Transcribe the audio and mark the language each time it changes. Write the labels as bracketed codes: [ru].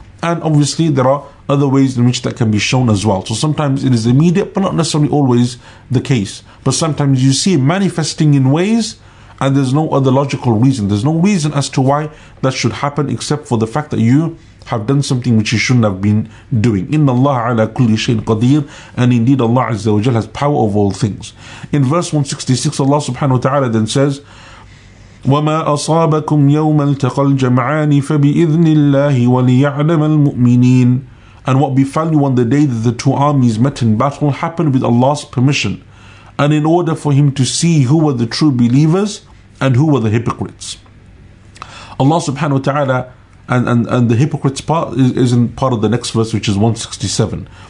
[en] And obviously there are other ways in which that can be shown as well. So sometimes it is immediate, but not necessarily always the case. But sometimes you see it manifesting in ways and there's no other logical reason. There's no reason as to why that should happen except for the fact that you have done something which you shouldn't have been doing. [ar] إِنَّ اللَّهَ عَلَى كُلِّ شَيْءٍ قَدِيرٍ. [en] And indeed Allah Azza wa Jal has power over all things. In verse 166, Allah subhanahu wa ta'ala then says, [ar] وَمَا أَصَابَكُمْ يَوْمَ الْتَقَى الْجَمْعَانِ فَبِإِذْنِ اللَّهِ وَلِيَعْلَمَ الْمُؤْمِنِينَ. [en] And what befell you on the day that the two armies met in battle happened with Allah's permission, and in order for him to see who were the true believers and who were the hypocrites. Allah subhanahu wa ta'ala, and the hypocrites part is in part of the next verse, which is 167.